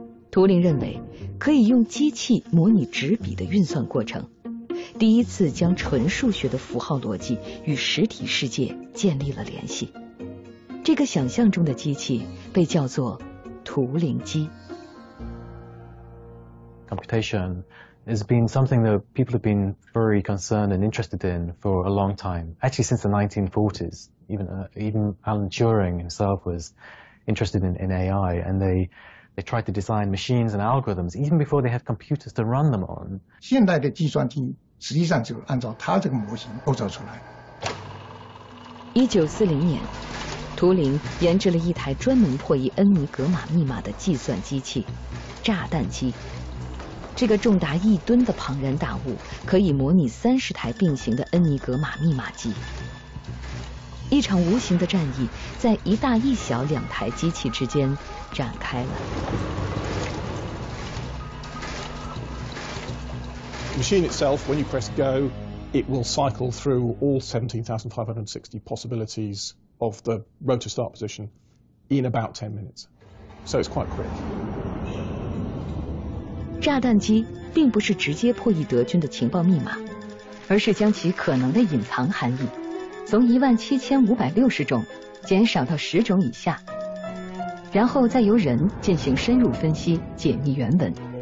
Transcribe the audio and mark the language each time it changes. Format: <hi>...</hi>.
<zh>图灵认为，可以用机器模拟纸笔的运算过程，第一次将纯数学的符号逻辑与实体世界建立了联系。这个想象中的机器被叫做图灵机。</zh> <en>Computation has been something that people have been very concerned and interested in for a long time. Actually, since the 1940s, even Alan Turing himself was interested in AI, and they tried to design machines and algorithms even before they had computers to run them on.</en> <zh>现代的计算机实际上就按照他这个模型构造出来。 1940年，图灵研制了一台专门破译恩尼格玛密码的计算机器——炸弹机。这个重达一吨的庞然大物可以模拟30台并行的恩尼格玛密码机。一场无形的战役在一大一小两台机器之间展开了。</zh> <en>Machine itself, when you press go, it will cycle through all 17,560 possibilities of the rotor start position in about 10 minutes. So it's quite quick.</en> <zh>炸弹机并不是直接破译德军的情报密码，而是将其可能的隐藏含义从17,560种减少到10种以下。然后再由人进行深入分析，解密原文。</zh>